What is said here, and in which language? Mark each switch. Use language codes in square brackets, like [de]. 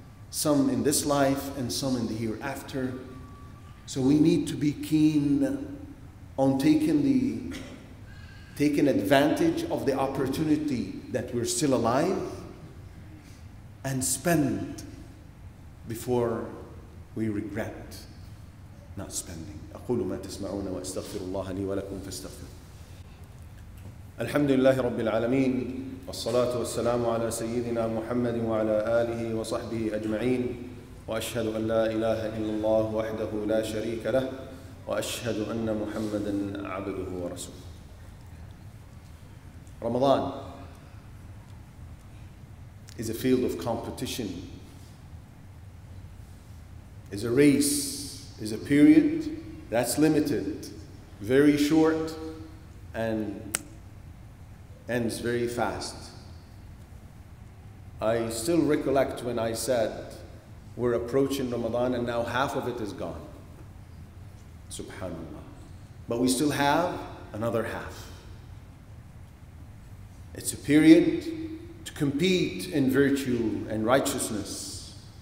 [en] Some in this life and some in the hereafter. So we need to be keen on taking advantage of the opportunity that we're still alive and spend before we regret not spending. [ar] قولوا ما تسمعون واستغفر الله لي ولكم فاستغفر الحمد لله رب العالمين والصلاة والسلام على سيدنا محمد وعلى آله وصحبه أجمعين وأشهد أن لا إله إلا الله وحده لا شريك له وأشهد أن محمدا عبده ورسوله رمضان [en] is a field of competition, is a race, is a period that's limited, very short, and ends very fast. I still recollect when I said, we're approaching Ramadan and now half of it is gone. Subhanallah. But we still have another half. It's a period to compete in virtue and righteousness.